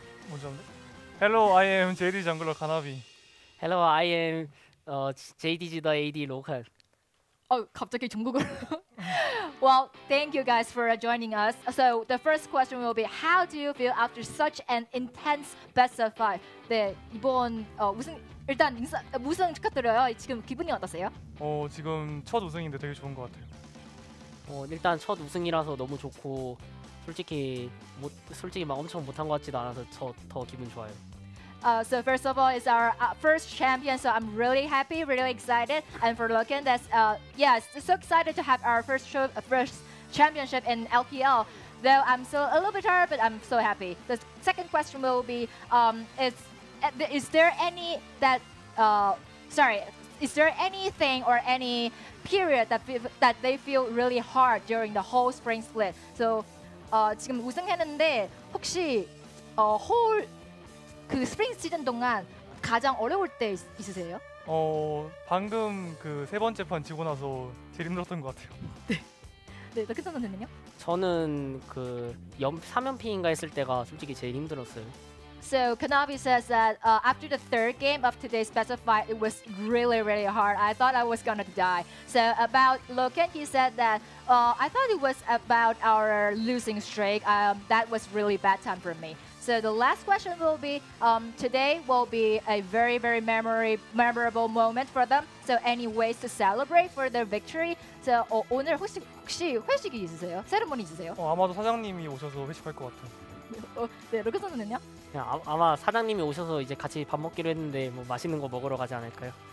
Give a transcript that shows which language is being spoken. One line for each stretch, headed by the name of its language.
Korean: 먼저.
English: Hello, I am JD jungler Kanavi. Hello, I am JDG the AD Loken. Oh,
Korean: 갑자기 중국어로.
English: Well, thank you guys for joining us. So the first question will be, how do you feel after such an intense best of five?
Korean: 네, 이번 우승 일단 인사, 우승 축하드려요. 지금 기분이 어떠세요? 지금 첫 우승인데 되게 좋은 것 같아요. 일단 첫 우승이라서 너무 좋고 솔직히 솔직히 막 엄청 못한 것 같지도 않아서 더 기분 좋아요.
English: So first of all, it's our first champion, so I'm really happy, really excited. And for Loken, that's, so excited to have our first championship in LPL. Though I'm still a little bit hard, but I'm so happy. The second question will be, is there anything or any period that they feel really hard during the whole spring split? So,
Korean: 지금 우승했는데, 혹시 whole 그 스프링 시즌 동안 가장 어려울 때 있으세요? 방금 그 세 번째 판 지고 나서 제일 힘들었던 것 같아요. 네, 네, 그 선수는요? 저는 그 3연패인가 했을 때가 솔직히 제일 힘들었어요.
English: So Kanavi says that after the third game of today's best of five, it was really, really hard. I thought I was gonna die. So about Loken, he said that I thought it was about our losing streak. That was really bad time for me. So the last question will be, today will be a very, very memorable moment for them. So any ways to celebrate for their victory? So
Korean: 오늘 혹시 회식이 있으세요? 세리머니 있으세요? 아마도 사장님이 오셔서 회식할 것 같아요. 네, 로켓 선수는요? 아마 사장님이 오셔서 이제 같이 밥 먹기로 했는데 뭐 맛있는 거 먹으러 가지 않을까요?